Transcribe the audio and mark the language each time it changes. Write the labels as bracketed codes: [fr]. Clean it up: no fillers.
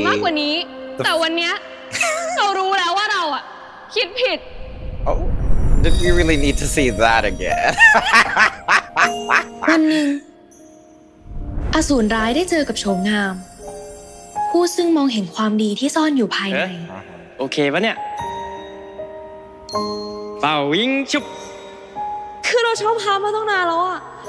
[th] มากกว่านี้แต่วันนี้เรารู้แล้วว่าเราอะคิดผิด [en] Oh did we really need to see that again [th] วันหนึ่งอสูรร้ายได้เจอกับโฉมงามผู้ซึ่งมองเห็นความดีที่ซ่อนอยู่ภายใน โอเคปะเนี่ยฟาวิงชุบ คือเราชอบพามาตั้งนานแล้วอะ